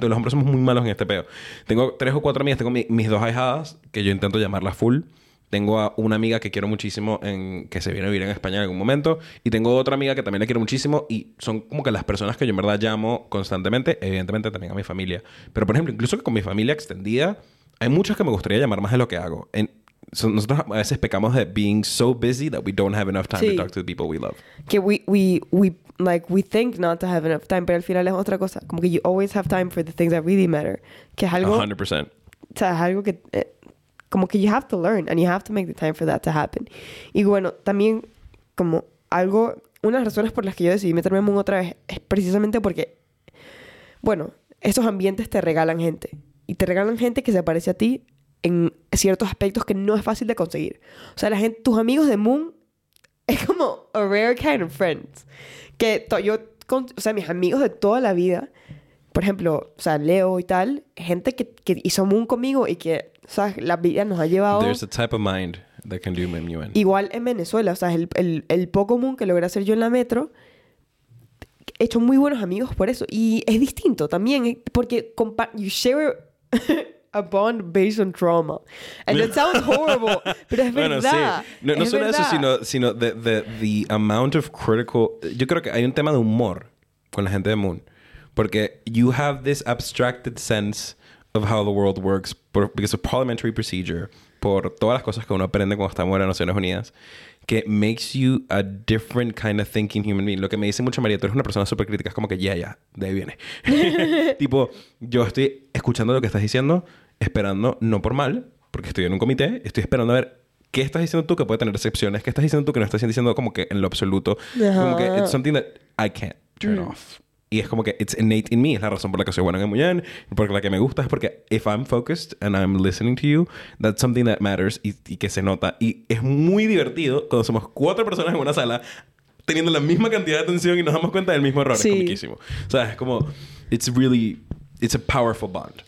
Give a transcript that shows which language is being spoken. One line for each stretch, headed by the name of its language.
Spanish: Los hombres somos muy malos en este pedo. Tengo 3 o 4 amigas. Tengo mis dos ahijadas, que yo intento llamarlas full. Tengo a una amiga que quiero muchísimo, que se viene a vivir en España en algún momento. Y tengo otra amiga que también la quiero muchísimo. Y son como que las personas que yo en verdad llamo constantemente. Evidentemente también a mi familia. Pero, por ejemplo, incluso que con mi familia extendida, hay muchas que me gustaría llamar más de lo que hago. Nosotros a veces pecamos de
English: being so busy that we don't have enough time to talk to the people we love. Que we think not to have enough time,
Spanish: pero al final es otra cosa. Como que
English: you always have time for the things that really matter.
Spanish: Que es algo... 100%. O sea, es algo que... como que
English: you have to learn and you have to make the time for that to happen.
Spanish: Y bueno, también como algo... Una de las razones por las que yo decidí meterme en Moon otra vez es precisamente porque... Bueno, esos ambientes te regalan gente. Y te regalan gente que se parece a ti en ciertos aspectos que no es fácil de conseguir. O sea, la gente... Tus amigos de Moon... es como
English: a rare kind of friends.
Spanish: Que yo, con, o sea, mis amigos de toda la vida, por ejemplo, o sea, Leo y tal, gente que hizo Moon conmigo y que, o sea, la vida nos ha llevado.
English: There's a type of mind that can do MUN.
Spanish: Igual en Venezuela, o sea, el poco Moon que logré hacer yo en la metro, he hecho muy buenos amigos por eso. Y es distinto también, porque
English: you share a bond based on trauma. And it sounds horrible,
Spanish: pero es verdad. Bueno, sí. No, no es solo eso, sino
English: the amount of critical.
Spanish: Yo creo que hay un tema de humor con la gente de Moon. Porque
English: you have this abstracted sense of how the world works because of parliamentary procedure,
Spanish: por todas las cosas que uno aprende cuando estamos en las Naciones Unidas, que
English: makes you a different kind of thinking human being.
Spanish: Lo que me dice mucho María, tú eres una persona súper crítica, es como que ya, ya, de ahí viene. Tipo, yo estoy escuchando lo que estás diciendo, esperando, no por mal, porque estoy en un comité, estoy esperando a ver qué estás diciendo tú que puede tener excepciones, qué estás diciendo tú que no estás diciendo como que en lo absoluto. Uh-huh. Como que
English: it's something that I can't turn off.
Spanish: Y es como que
English: it's innate in me.
Spanish: Es la razón por la que soy bueno en MUN. Porque la que me gusta es porque
English: if I'm focused and I'm listening to you, that's something that matters
Spanish: y que se nota. Y es muy divertido cuando somos cuatro personas en una sala teniendo la misma cantidad de atención y nos damos cuenta del mismo error. Sí. Es comiquísimo. O sea, es como...
English: It's really... It's a powerful bond.